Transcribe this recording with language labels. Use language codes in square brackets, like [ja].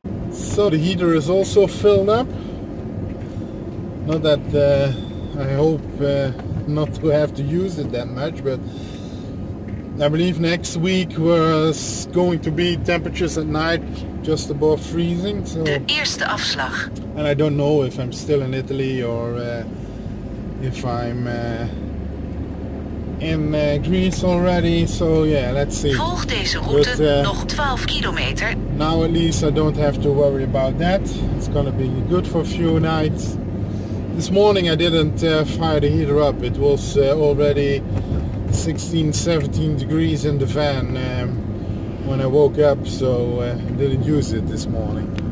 [en] So the heater is also filled up. Not that I hope not to have to use it that much, but I believe next week was going to be temperatures at night just above freezing. So, [nl] de eerste afslag. [en] And I don't know if I'm still in Italy or if I'm in Greece already. So yeah, let's see. [nl] Volg deze route nog 12 kilometer. [en] Now at least I don't have to worry about that. It's gonna be good for a few nights. This morning I didn't fire the heater up. It was already 16, 17 degrees in the van when I woke up, so I didn't use it this morning.